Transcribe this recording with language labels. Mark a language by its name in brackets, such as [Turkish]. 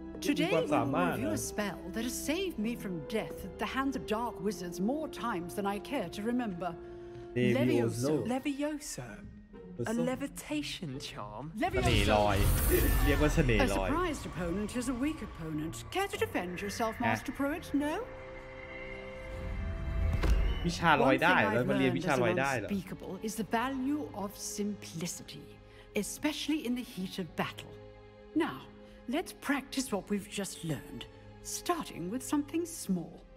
[English] Today you will review a spell that has saved me from death at the hands of dark wizards more times than I care to remember Levioso a levitation charm [Thai] Levioso เรียกว่าเสน่ห์ลอย [English] A surprised opponent is a weak opponent care to defend yourself master pruitt no [Thai] วิชาลอยได้แล้วมาเรียนวิชาลอยได้เหรอ [English] Unspeakable is the value of simplicity especially in the heat of battle Now let's practice what we've just learned starting with something small